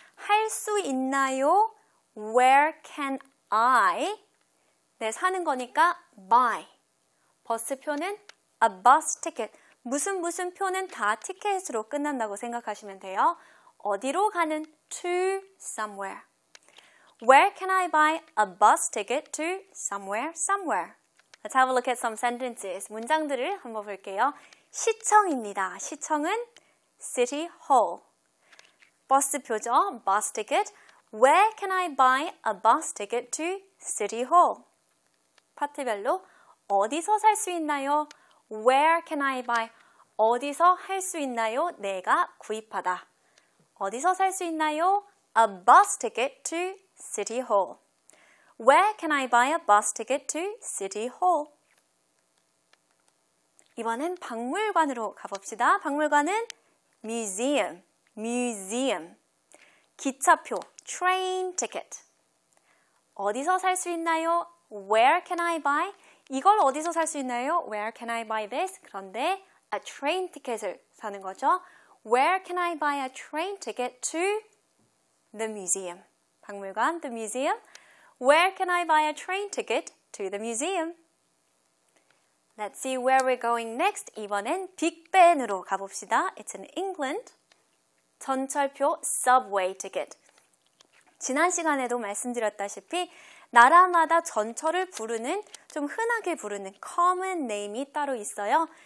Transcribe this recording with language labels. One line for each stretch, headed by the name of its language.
Korean: 할 수 있나요? Where can I? 네, 사는 거니까 buy. 버스표는 a bus ticket. 무슨 무슨 표는 다 티켓으로 끝난다고 생각하시면 돼요. 어디로 가는 to somewhere.
English: Where can I buy a bus ticket to somewhere, somewhere? Let's have a look at some sentences. 문장들을 한번 볼게요. 시청입니다.
Korean: 시청은 city hall. 버스표죠. bus ticket.
English: Where can I buy a bus ticket to city hall?
Korean: 파트별로 어디서 살 수 있나요?
English: Where can I buy? 어디서 할 수 있나요?
Korean: 내가 구입하다. 어디서 살 수 있나요?
English: A bus ticket to City Hall. Where can I buy a bus ticket to City Hall?
Korean: 이번엔 박물관으로 가봅시다. 박물관은 museum, museum. 기차표, train ticket. 어디서 살 수 있나요?
English: Where can I buy?
Korean: 이걸 어디서 살 수 있나요?
English: Where can I buy this? 그런데 a train ticket을 사는 거죠. Where can I buy a train ticket to the museum? 박물관, the museum. Where can I buy a train ticket to the museum? Let's see where we're going next.
Korean: 이번엔 빅벤으로 가봅시다.
English: It's in England. 전철표, subway ticket.
Korean: 지난 시간에도 말씀드렸다시피 나라마다 전철을 부르는, 좀 흔하게 부르는 common name이 따로 있어요.